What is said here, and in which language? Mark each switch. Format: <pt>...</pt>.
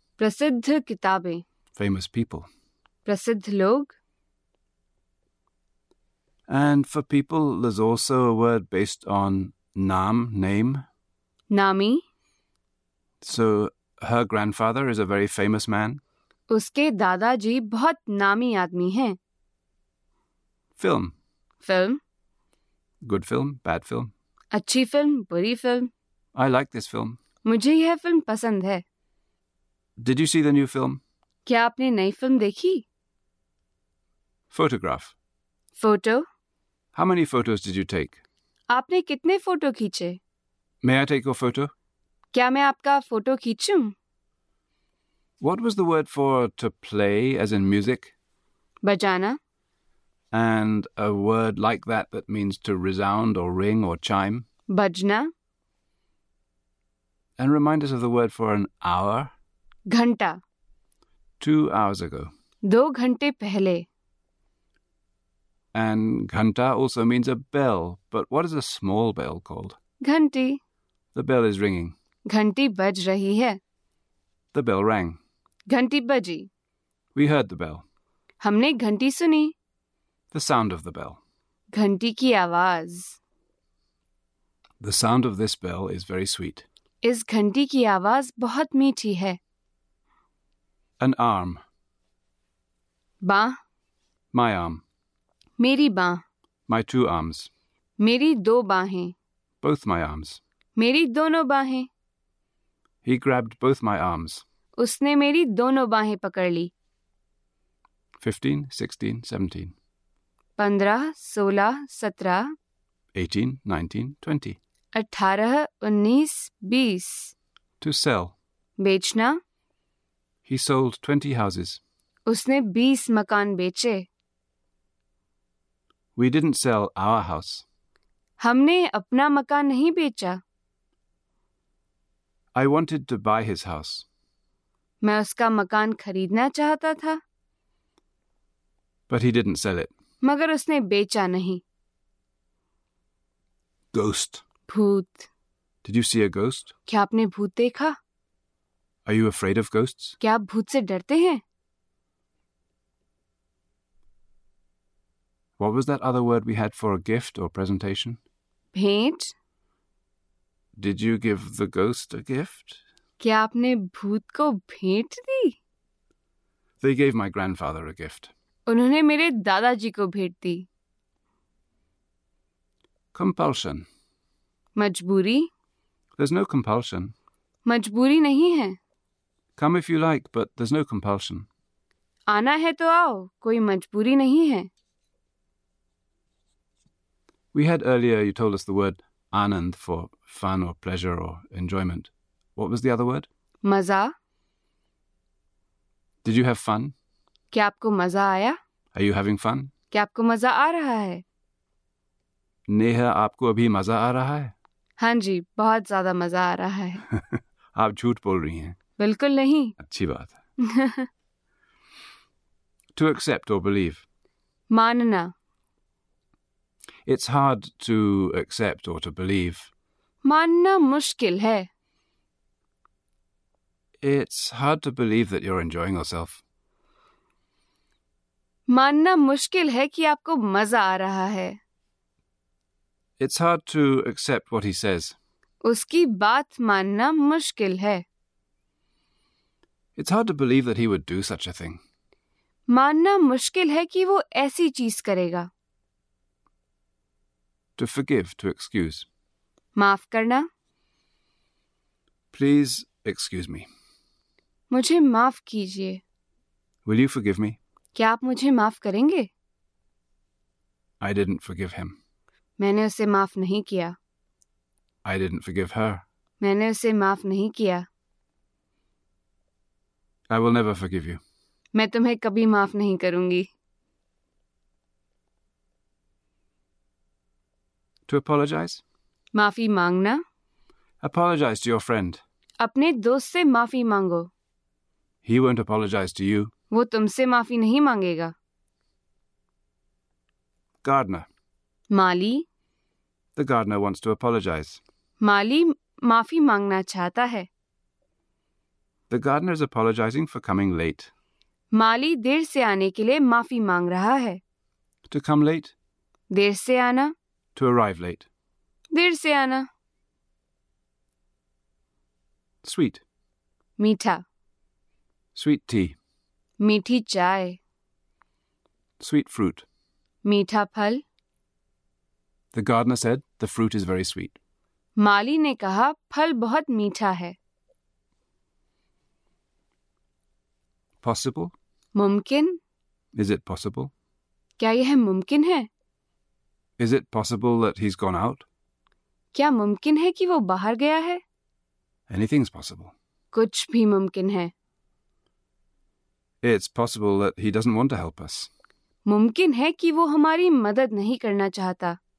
<hi>प्रसिद्ध किताबें.</hi> <en>Famous people.</en> <hi>प्रसिद्ध लोग.</hi> <en>And for people, there's also a word based on naam, name.</en> <hi>Nami.</hi> <en>So her grandfather is a very famous man.</en> <hi>उसके दादाजी बहुत नामी आदमी हैं.</hi> <en>Film. Film. Good film, bad film.</en> <hi>अच्छी फिल्म, बुरी film.</hi> <en>I like this film.</en> <hi>मुझे यह फिल्म पसंद है.</hi> <en>Did you see the new film?</en> <hi>क्या आपने नई फिल्म देखी?</hi> <en>Photograph. Photo. How many photos did you take?</en> <hi>आपने कितने फोटो खींचे?</hi> <en>May I take your photo?</en> <hi>क्या मैं आपका photo खींचूं?</hi> <en>What was the word for to play, as in music?</en> <hi>बजाना.</hi> <en>And a word like that that means to resound or ring or chime?</en> <hi>Bazna.</hi> <en>And remind us of the word for an hour?</en> <hi>घंटा.</hi> <en>2 hours ago.</en> <hi>दो घंटे पहले.</hi> <en>And घंटा also means a bell, but what is a small bell called?</en> <hi>घंटी.</hi> <en>The bell is ringing.</en> <hi>घंटी बज रही है.</hi> <en>The bell rang.</en> <hi>घंटी बजी.</hi> <en>We heard the bell.</en> <hi>हमने घंटी सुनी.</hi> <en>The sound of the bell.</en> <hi>घंटी की आवाज.</hi> <en>The sound of this bell is very sweet.</en> <hi>इस घंटी की आवाज बहुत मीठी है.</hi> <en>An arm.</en> <hi>बाँ.</hi> <en>My arm.</en> <hi>मेरी बाँ.</hi> <en>My two arms.</en> <hi>मेरी दो बाहें.</hi> <en>Both my arms.</en> <hi>मेरी दोनों बाहें.</hi> <en>He grabbed both my arms.</en> <hi>उसने मेरी दोनों बाहें पकड़ ली.</hi> <en>15, 16, 17.</en> <hi>15, 16, 17.</hi> <en>18, 19, 20.</en> <hi>18, 19, 20.</hi> <en>To sell.</en> <hi>बेचना.</hi> <en>He sold 20 houses.</en> <hi>उसने 20 मकान बेचे.</hi> <en>We didn't sell our house.</en> <hi>हमने अपना मकान नहीं बेचा.</hi> <en>I wanted to buy his house.</en> <hi>मैं उसका मकान खरीदना चाहता था.</hi> <en>But he didn't sell it.</en> <hi>मगर उसने बेचा नहीं.</hi> <en>Ghost.</en> <hi>भूत.</hi> <en>Did you see a ghost?</en> <hi>क्या आपने भूत देखा?</hi> <en>Are you afraid of ghosts?</en> <hi>क्या आप भूत से डरते हैं?</hi> <en>What was that other word we had for a gift or presentation?</en> <hi>भेंट.</hi> <en>Did you give the ghost a gift?</en> <hi>क्या आपने भूत को भेंट दी?</hi> <en>They gave my grandfather a gift.</en> <hi>उन्होंने मेरे दादाजी को भेंट दी.</hi> <en>Compulsion.</en> <hi>मजबूरी.</hi> <en>There's no compulsion.</en> <hi>मजबूरी नहीं है.</hi> <en>Come if you like, but there's no compulsion.</en> <hi>आना है तो आओ, कोई मजबूरी नहीं है.</hi> <en>We had earlier, you told us the word anand for fun or pleasure or enjoyment. What was the other word?</en> <hi>Maza.</hi> <en>Did you have fun?</en> <hi>क्या आपको मजा आया?</hi> <en>Are you having fun?</en> <hi>क्या आपको मजा आ रहा है? नेहा, आपको अभी मजा आ रहा है? हाँ जी, बहुत ज्यादा मजा आ रहा है. आप झूठ बोल रही हैं. बिल्कुल नहीं. अच्छी बात है.</hi> <en>To accept or believe.</en> <hi>मानना.</hi> <en>It's hard to accept or to believe.</en> <hi>मानना मुश्किल है.</hi> <en>It's hard to believe that you're enjoying yourself.</en> <hi>मानना मुश्किल है कि आपको मजा आ रहा है.</hi> <en>It's hard to accept what he says.</en> <hi>उसकी बात मानना मुश्किल है.</hi> <en>It's hard to believe that he would do such a thing.</en> <hi>मानना मुश्किल है कि वो ऐसी चीज करेगा.</hi> <en>To forgive, to excuse.</en> <hi>माफ करना.</hi> <en>Please excuse me.</en> <hi>मुझे माफ कीजिए.</hi> <en>Will you forgive me?</en> <hi>क्या आप मुझे माफ करेंगे?</hi> <en>I didn't forgive him.</en> <hi>मैंने उसे माफ नहीं किया.</hi> <en>I didn't forgive her.</en> <hi>मैंने उसे माफ नहीं किया.</hi> <en>I will never forgive you.</en> <hi>मैं तुम्हें कभी माफ नहीं करूंगी.</hi> <en>To apologize?</en> <hi>माफी मांगना.</hi> <en>Apologize to your friend.</en> <hi>अपने दोस्त से माफी मांगो.</hi> <en>He won't apologize to you.</en> <hi>वो तुमसे माफी नहीं मांगेगा.</hi> <en>Gardener.</en> <hi>Mali.</hi> <en>The gardener wants to apologize.</en> <hi>माली माफी मांगना चाहता है.</hi> <en>The gardener is apologizing for coming late.</en> <hi>माली देर से आने के लिए माफी मांग रहा है.</hi> <en>To come late.</en> <hi>देर से आना.</hi> <en>To arrive late.</en> <hi>देर से आना.</hi> <en>Sweet.</en> <hi>मीठा.</hi> <en>Sweet tea.</en> <hi>मीठी चाय.</hi> <en>Sweet fruit.</en> <hi>मीठा फल.</hi> <en>The gardener said the fruit is very sweet.</en> <hi>माली ने कहा फल बहुत मीठा है.</hi> <en>Possible?</en> <hi>मुमकिन.</hi> <en>Is it possible?</en> <hi>क्या यह मुमकिन है?</hi> <en>Is it possible that he's gone out?</en> <hi>क्या मुमकिन है कि वो बाहर गया है?</hi> <en>Anything's possible.</en> <hi>कुछ भी मुमकिन है.</hi> <en>It's possible that he doesn't want to help us.</en> <hi>मुमकिन है कि वो हमारी मदद नहीं करना चाहता.</hi>